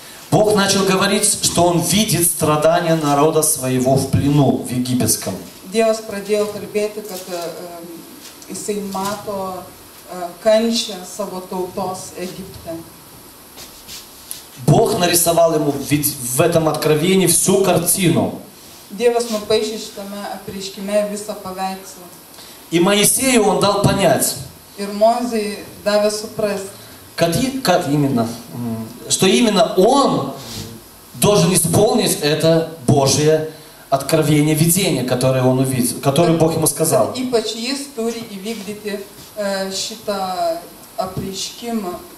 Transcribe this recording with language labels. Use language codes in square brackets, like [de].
[ru] Бог начал говорить, что он видит страдания народа своего в плену в египетском. Дьявол начал говорить, как он мато кончи своего толтос Египта. Бог нарисовал ему в этом откровении всю картину. [lt] Dievas nupaišė šitame apreiškime visą paveikslą. [ru] И Моисею он дал понять. [lt] Ir Mozei davė suprasti. [ru] Что именно он должен исполнить это Божие откровение, видение, которое он увидел, которое Бог ему сказал. [lt] Ypač jis turi įvykdyti šitą apreiškimą.